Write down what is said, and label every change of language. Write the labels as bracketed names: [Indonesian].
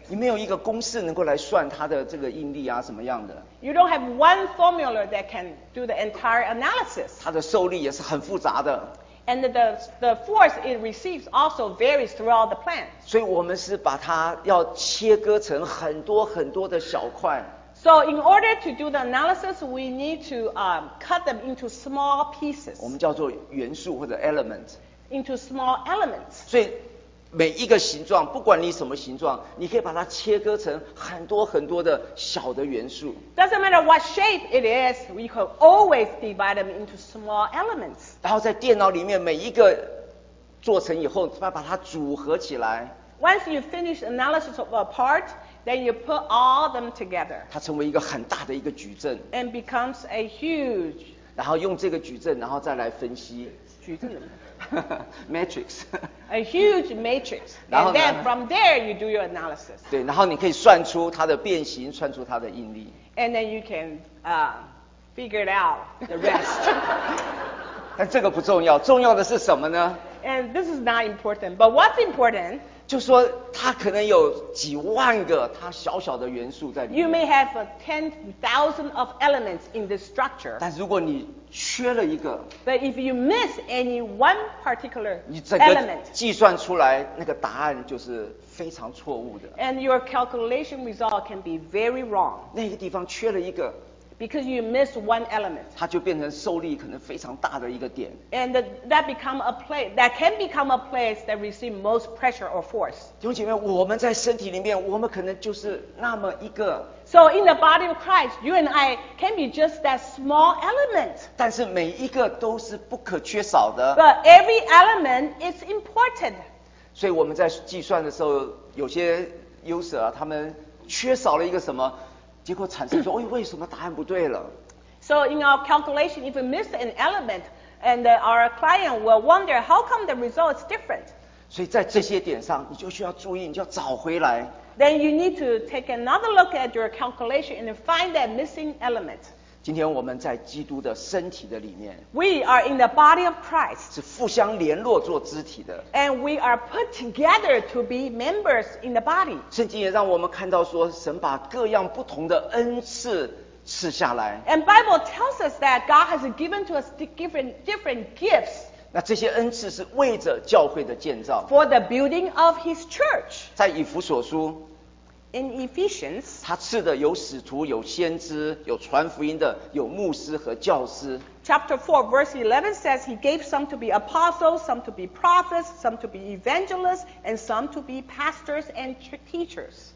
[Chinese] 你没有一个公式能够来算它的这个应力啊，什么样的 [English] ？You don't have one formula that can do the entire analysis. [Chinese] 它的受力也是很复杂的。 [English] And the force it receives also varies throughout the plane. [Chinese] 所以我们是把它要切割成很多很多的小块。 [English] So in order to do the analysis, we need to cut them into small pieces. [Chinese] 我们叫做元素或者 element. [English] Into small elements. [Chinese] 所以每一个形状，不管你什么形状，你可以把它切割成很多很多的小的元素。 [English] Doesn't matter what shape it is, we can always divide them into small elements. [Chinese] 然后在电脑里面每一个做成以后，再把它组合起来。 [English] Once you finish analysis of a part,Then you put all them together. [Chinese] 它成为一个很大的一个矩阵。 [English] And becomes a huge. [Chinese] 然后用这个矩阵，然后再来分析。矩阵。 [English] Matrix. A huge matrix. And then from there you do your analysis. [Chinese] 对，然后你可以算出它的变形，算出它的应力。 [English] And then you can figure it out the rest. [Chinese] 但这个不重要，重要的是什么呢 [English] ？And this is not important. But what's important? [Chinese] 就说他可能有几万个他小小的元素在里面。 [English] You may have a 10,000 of elements in this structure. [Chinese] 但如果你缺了一个 [English] ，But if you miss any one particular element, [Chinese] 你整个计算出来那个答案就是非常错误的。 [English] And your calculation result can be very wrong. [Chinese] 那个地方缺了一个。 [English] Because you miss one element. [Chinese] 它就变成受力可能非常大的一个点。 [English] And that become a place that can become a place that receive most pressure or force. [Chinese] 弟兄姐妹，我们在身体里面，我们可能就是那么一个。 [English] So in the body of Christ, you and I can be just that small element. [Chinese] 但是每一个都是不可缺少的。 [English] But every element is important. [Chinese] 所以我们在计算的时候，有些user啊，他们缺少了一个什么？结果产生说，哎，为什么答案不对了 [English] ？So in our calculation, if we miss an element, and our client will wonder how come the result is different. [Chinese] 所以在这些点上，你就需要注意，你就要找回来。 [English] Then you need to take another look at your calculation and find that missing element. [Chinese] 今天我们在基督的身体的里面。 [English] We are in the body of Christ. [Chinese] 是互相联络做肢体的。 [English] And we are put together to be members in the body. [Chinese] 圣经也让我们看到说，神把各样不同的恩赐赐下来。 [English] And Bible tells us that God has given to us different gifts. [Chinese] 那这些恩赐是为着教会的建造。 [English] For the building of His church. [Chinese] 在以弗所书。 [English] In Ephesians, [Chinese] 他赐的有使徒，有先知，有传福音的，有牧师和教师。 [English] Chapter 4, verse 11 says he gave some to be apostles, some to be prophets, some to be evangelists, and some to be pastors and teachers.